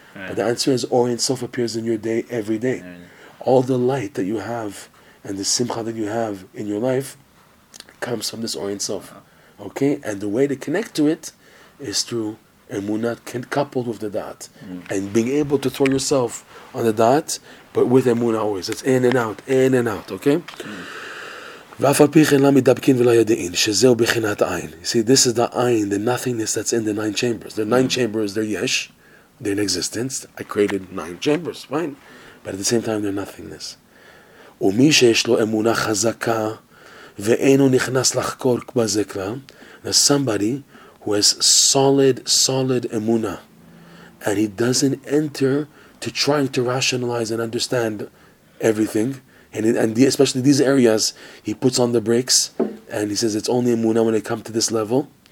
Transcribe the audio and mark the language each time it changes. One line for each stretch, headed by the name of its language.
English: But the answer is, Ohr Ein Sof appears in your day, every day. All the light that you have and the simcha that you have in your life comes from this Ohr Ein Sof. Okay, and the way to connect to it is through emunah coupled with the da'at. And being able to throw yourself on the da'at, but with emunah always. It's in and out, in and out, okay?
Hebrew: ואף על פי כן לא מדבקין ולא יודעין, שזהו בחינת עין.
English: You see, this is the עין, the nothingness that's in the nine chambers. The nine chambers, they're yesh, they're in existence. I created nine chambers, fine. But at the same time, they're nothingness.
Hebrew: ומי שיש לו אמונה חזקה, ואינו נכנס לחקור בזה כלל.
English: Now somebody who has solid emuna, and he doesn't enter to trying to rationalize and understand everything, especially these areas, he puts on the brakes, and he says it's only emuna when I come to this level.